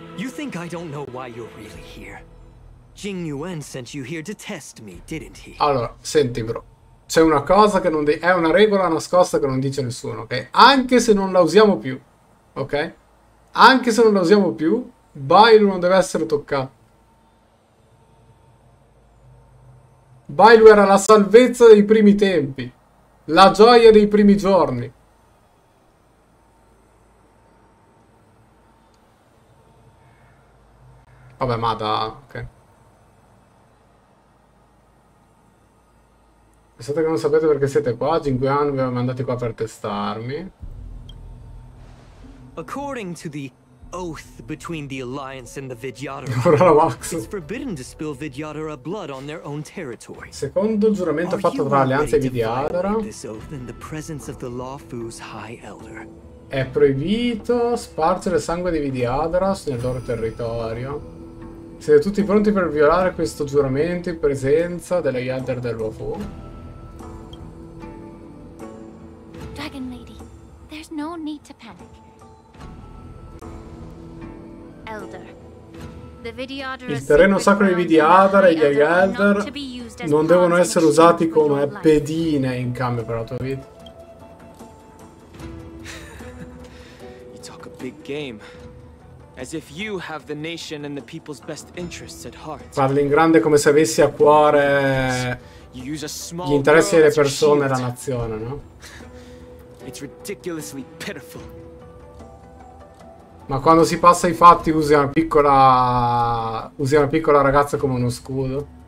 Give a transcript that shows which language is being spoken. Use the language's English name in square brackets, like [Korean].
[English] You think I don't know why you're really here? Jing Yuan sent you here to test me, didn't he? [Italian] Allora, senti bro. C'è una cosa che non è una regola nascosta che non dice nessuno, ok? Anche se non la usiamo più, ok? Anche se non la usiamo più, Bailu non deve essere toccato. Bailu era la salvezza dei primi tempi, la gioia dei primi giorni. Vabbè, ma da... ok. Pensate che non sapete perché siete qua. Jing Yuan vi aveva mandati qua per testarmi. [English] According to the oath between the Alliance and the Vidyadara, [Italian] ora la Max. [English] It's forbidden to spill Vidyadara blood on their own territory. [Italian] Secondo il giuramento fatto tra Alleanza e Vidyadara, [English] this oath in the presence of the Lawfu's High Elder. [Italian] È proibito spargere sangue di Vidyadara sul loro territorio. Siete tutti pronti per violare questo giuramento in presenza delle Elder del Lawfu? [English] Dragon Lady, there's no need to panic. Elder, the Vidyadara. [Italian] Il terreno sacro di Vidyadara e gli Elder non devono essere usati come pedine in cambio per la tua vita. [English] You talk a big game. As if you have the nation and the people's best interests at heart. [Italian] Parli in grande come se avessi a cuore gli interessi delle persone e la nazione, no? [English] It's ridiculously pitiful. [Italian] Ma quando si passa ai fatti usi una piccola ragazza come uno scudo.